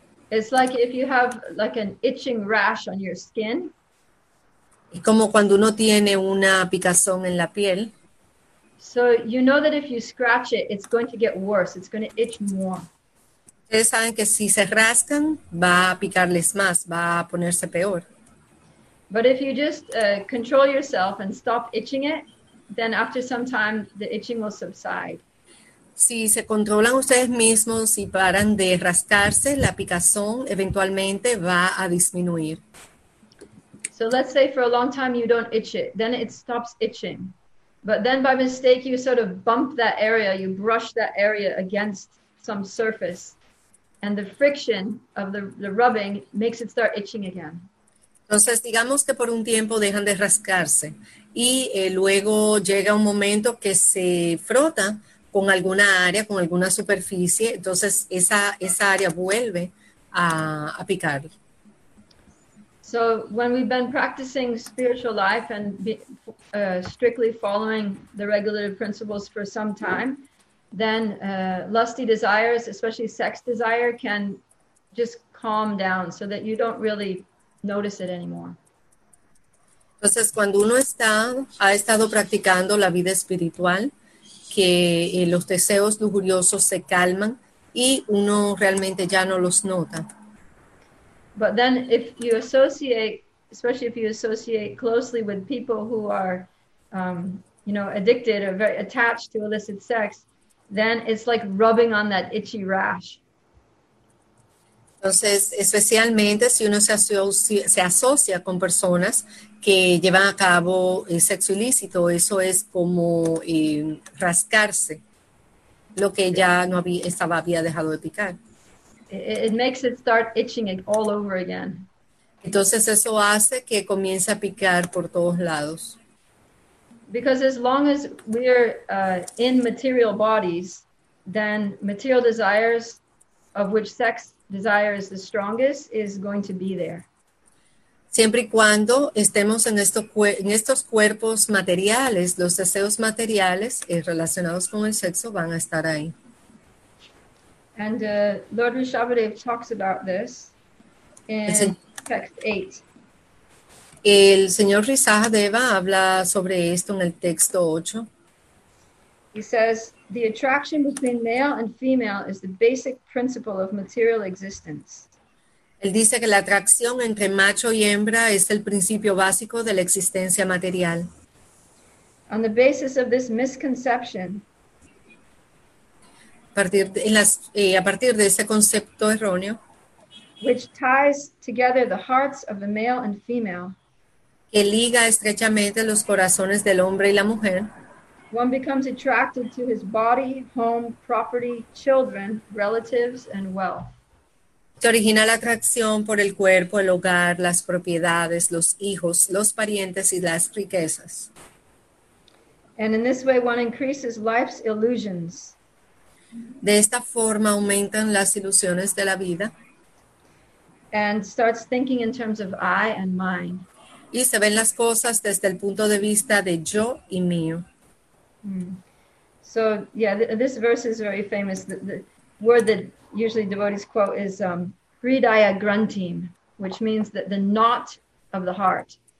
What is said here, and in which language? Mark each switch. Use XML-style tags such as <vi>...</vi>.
<en>It's like if you have like an itching rash on your skin.</en> <es>Es como cuando uno tiene una picazón en la piel.</es> <en>So you know that if you scratch it, it's going to get worse. It's going to itch more.</en> <es>Ustedes saben que si se rascan, va a picarles más, va a ponerse peor.</es> <en>But if you just control yourself and stop itching it, then after some time, the itching will subside.</en> <es>Si se controlan ustedes mismos y paran de rascarse, la picazón eventualmente va a disminuir.</es> <en>So let's say for a long time you don't itch it, then it stops itching. But then by mistake you sort of bump that area, you brush that area against some surface. And the friction of the rubbing makes it start itching again.</en> <es>Entonces, digamos que por un tiempo dejan de rascarse y luego llega un momento que se frota con alguna área, con alguna superficie, entonces esa área vuelve a picar.</es> <en>So when we've been practicing spiritual life and strictly following the regulative principles for some time, then lusty desires, especially sex desire, can just calm down so that you don't really notice it anymore.</en> <es>Entonces, cuando uno ha estado practicando la vida espiritual, que los deseos lujuriosos se calman y uno realmente ya no los nota.</es> <en>But then if you associate, especially if you associate closely with people who are addicted or very attached to illicit sex, then it's like rubbing on that itchy rash.</en> <es>Entonces, especialmente si uno se asocia con personas que llevan a cabo el sexo ilícito, eso es como rascarse lo que ya no había, estaba había dejado de picar.</es> <en>It makes it start itching it all over again.</en> <es>Entonces, eso hace que comience a picar por todos lados.</es> <en>Because as long as we're in material bodies, then material desires, of which sex desire is the strongest, is going to be there.</en> <es>Siempre y cuando estemos en estos cuerpos materiales, los deseos materiales relacionados con el sexo van a estar ahí.</es> <en>And Lord Rishabhadev talks about this in text 8.</en> <es>El señor Rishabdeva habla sobre esto en el texto 8.</es> <en>He says, the attraction between male and female is the basic principle of material existence.</en> <es>Él dice que la atracción entre macho y hembra es el principio básico de la existencia material.</es> <en>On the basis of this misconception,</en> <es>A partir de ese concepto erróneo,</es> <en>which ties together the hearts of the male and female,</en> <es>que liga estrechamente los corazones del hombre y la mujer,</es> <en>one becomes attracted to his body, home, property, children, relatives, and wealth.</en> <es>se origina la atracción por el cuerpo, el hogar, las propiedades, los hijos, los parientes y las riquezas.</es> <en>And in this way, one increases life's illusions.</en> <es>De esta forma aumentan las ilusiones de la vida</es> <en>And starts thinking in terms of I and mine.</en> <es>y se ven las cosas desde el punto de vista de yo y mío.</es> <en>So, yeah, this verse is very famous. The word that usually devotees quote is Hridaya Granthim, which means that the knot of the heart.</en>